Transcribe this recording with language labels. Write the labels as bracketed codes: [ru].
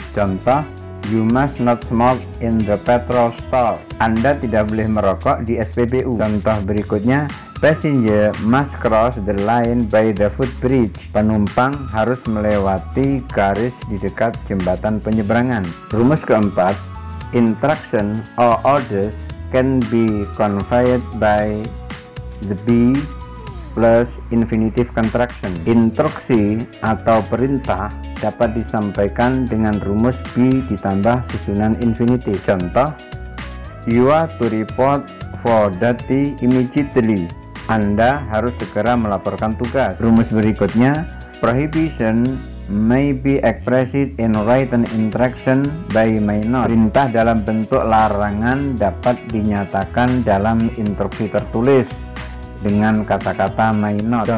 [en] Contoh, you must not smoke in the petrol store. [id] Anda tidak boleh merokok di SPBU. Contoh berikutnya, [en] passenger must cross the line by the footbridge. [id] Penumpang harus melewati garis di dekat jembatan penyeberangan. Rumus keempat, [en] instruction or orders can be conveyed by the be plus infinitive contraction. [id] Instruksi atau perintah dapat disampaikan dengan rumus be ditambah susunan infinitive. [en] Contoh, you are to report for duty immediately. [id] Anda harus segera melaporkan tugas. Rumus berikutnya, [en] prohibition may be expressed in written instruction by may not. [id] Perintah dalam bentuk larangan dapat dinyatakan dalam instruksi tertulis dengan kata-kata may not.